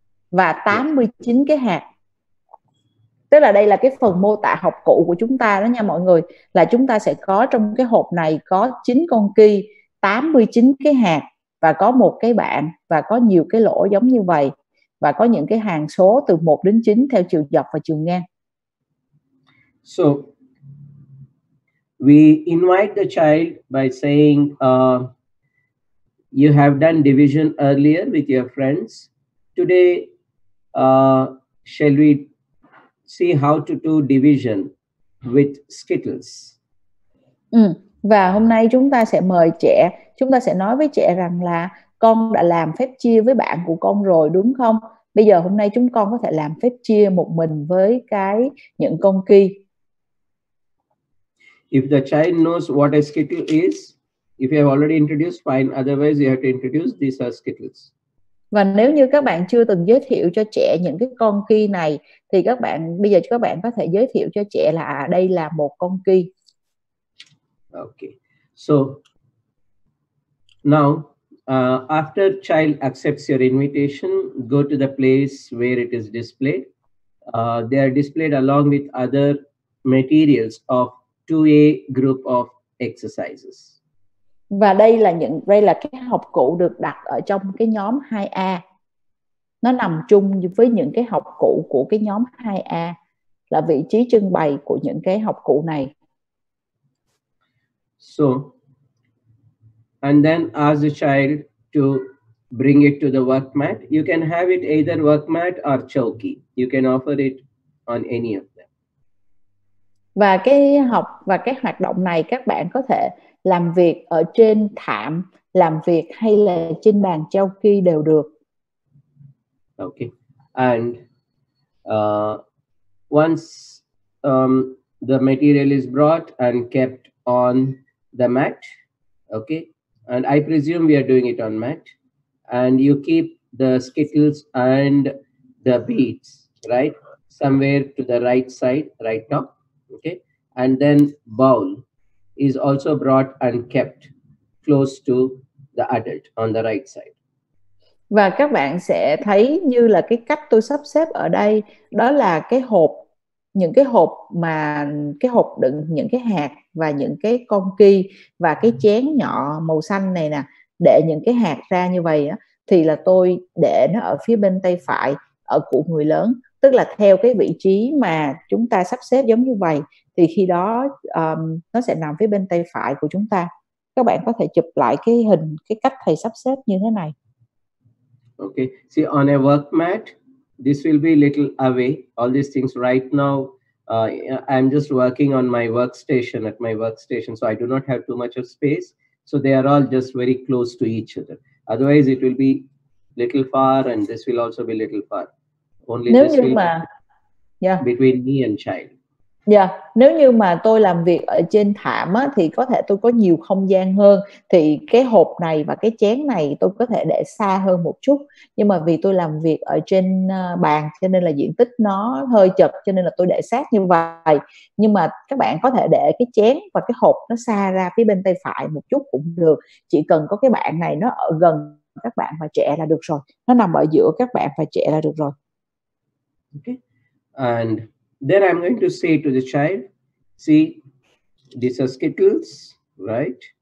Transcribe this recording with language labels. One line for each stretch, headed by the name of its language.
Vietnamese: Và 89 yes. cái hạt. Tức là đây là cái phần mô tả học cụ của chúng ta đó nha mọi người. Là chúng ta sẽ có trong cái hộp này có 9 con kỳ, 89 cái hạt. Và có một cái bảng và có nhiều cái lỗ giống như vậy. Và có những cái hàng số từ 1 đến 9 theo chiều dọc và chiều ngang.
English: So, we invite the child by saying, you have done division earlier with your friends. Today, shall we see how to do division with Skittles?
Vietnamese: Và hôm nay chúng ta sẽ mời trẻ, chúng ta sẽ nói với trẻ rằng là con đã làm phép chia với bạn của con rồi đúng không? Bây giờ hôm nay chúng con có thể làm phép chia một mình với cái những con kỳ.
English: If the child knows what a skittle is, if you have already introduced, fine. Otherwise, you have to introduce these are skittles.
Vietnamese: Và nếu như các bạn chưa từng giới thiệu cho trẻ những cái con kỳ này, thì các bạn bây giờ các bạn có thể giới thiệu cho trẻ là đây là một con kỳ.
English: Okay, so now after child accepts your invitation, go to the place where it is displayed. They are displayed along with other materials of 2A group of exercises.
Vietnamese: Và đây là những, đây là cái học cụ được đặt ở trong cái nhóm 2A. Nó nằm chung với những cái học cụ của cái nhóm 2A, là vị trí trưng bày của những cái học cụ này.
English: So, and then ask the child to bring it to the work mat. You can have it either work mat or chowki. You can offer it on any of them.
Vietnamese: Và cái học và cái hoạt động này các bạn có thể làm việc ở trên thảm, làm việc hay là trên bàn chowki đều được.
English: Okay. And once the material is brought and kept on the mat, okay, and I presume we are doing it on mat, and you keep the skittles and the beads, right, somewhere to the right side, right top, okay, and then bowl is also brought and kept close to the adult on the right side.
Vietnamese: Và các bạn sẽ thấy như là cái cách tôi sắp xếp ở đây, đó là cái hộp, những cái hộp mà cái hộp đựng những cái hạt và những cái con kỳ và cái chén nhỏ màu xanh này nè, để những cái hạt ra như vậy á, thì là tôi để nó ở phía bên tay phải ở của người lớn, tức là theo cái vị trí mà chúng ta sắp xếp giống như vậy, thì khi đó nó sẽ nằm phía bên tay phải của chúng ta. Các bạn có thể chụp lại cái hình, cái cách thầy sắp xếp như thế này.
English: Okay, see, on a work mat this will be a little away, all these things. Right now, I'm just working on my workstation, at my workstation, so I do not have too much of space. So they are all just very close to each other. Otherwise, it will be little far, and this will also be little far. Only
Vietnamese: nếu
English: this
Vietnamese: như
English: will
Vietnamese: mà,
English: be yeah. between me and child. Yeah.
Vietnamese: Nếu như mà tôi làm việc ở trên thảm á, thì có thể tôi có nhiều không gian hơn, thì cái hộp này và cái chén này tôi có thể để xa hơn một chút. Nhưng mà vì tôi làm việc ở trên bàn cho nên là diện tích nó hơi chật, cho nên là tôi để sát như vậy. Nhưng mà các bạn có thể để cái chén và cái hộp nó xa ra phía bên tay phải một chút cũng được. Chỉ cần có cái bàn này nó ở gần các bạn và trẻ là được rồi. Nó nằm ở giữa các bạn và trẻ là được rồi.
English: Okay. And then I'm going to say to the child, see, these are Skittles, right?